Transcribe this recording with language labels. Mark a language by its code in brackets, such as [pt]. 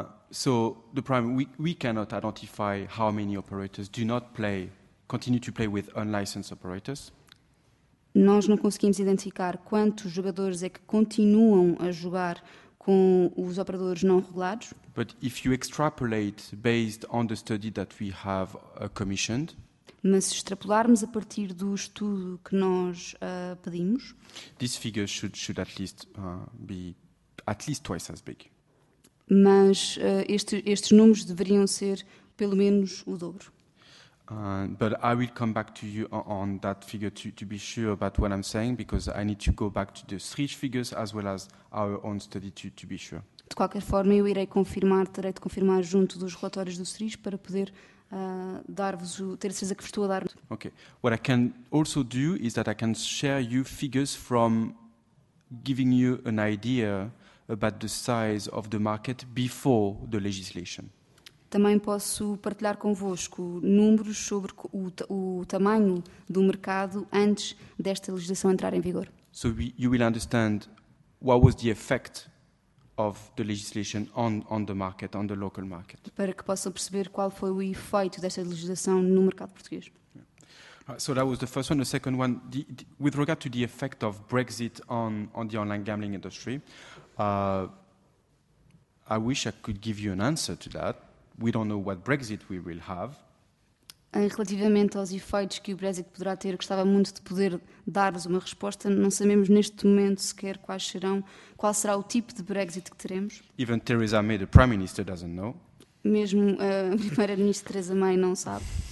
[en] So the problem we cannot identify how many operators do not play, continue to play with unlicensed operators. [pt] Nós não conseguimos identificar quantos jogadores é que continuam a jogar com os operadores não regulados. [en] But if you extrapolate based on the study that we have commissioned. [pt] Mas se extrapolarmos a partir do estudo que nós pedimos. [en] These figures should at least be at least twice as big. [pt] Mas estes números deveriam ser pelo menos o dobro. [en] But I will come back to you on that figure to be sure about what I'm saying, because I need to go back to the SRIJ figures as well as our own study to be sure. [pt] De qualquer forma, eu irei confirmar, terei de confirmar junto dos relatórios do SRIJ para poder dar-vos o, ter a certeza que estou a dar. [en] Okay. What I can also do is that I can share you figures from giving you an idea about the size of the market before the legislation. [pt] Também posso partilhar convosco números sobre o tamanho do mercado antes desta legislação entrar em vigor. [en] So you will understand what was the effect of the legislation on the market, on the local market. [pt] Para que possam perceber qual foi o efeito desta legislação no mercado português. [en] Yeah. So that was the first one. The second one, with regard to the effect of Brexit on the online gambling industry, I wish I could give you an answer to that. We don't know what Brexit we will have. [pt] Relativamente aos efeitos que o Brexit poderá ter, gostava muito de poder dar-vos uma resposta. Não sabemos neste momento sequer qual será o tipo de Brexit que teremos. [en] Even Theresa May, the Prime Minister, doesn't know. [pt] Mesmo a Primeira-Ministra Theresa May não sabe.